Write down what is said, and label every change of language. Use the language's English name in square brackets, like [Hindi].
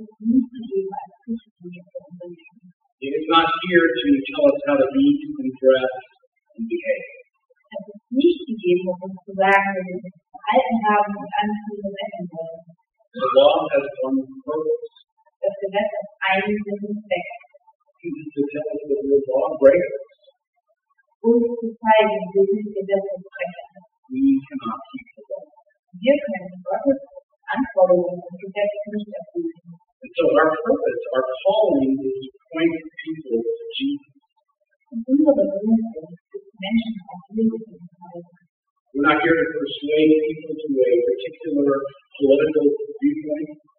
[English] It is not here to tell us how to eat and dress and behave. [German] Es ist nicht gegeben, um uns zu sagen, wie wir uns verhalten haben und anfühlen und retten wollen. [English] The law has one purpose. [German] Das Gesetz hat einen bestimmten Zweck. [English] It is to tell us that we are lawbreakers. [German] Uns zu zeigen, wir sind Gesetzesbrecher. [English] We cannot keep the law. [German] Wir können Gottes Anforderungen und Gesetze nicht erfüllen. [English] And so our purpose, our calling is to point people to Jesus. [German] Und unsere Berufung [English] We're not here to persuade people to a particular political viewpoint.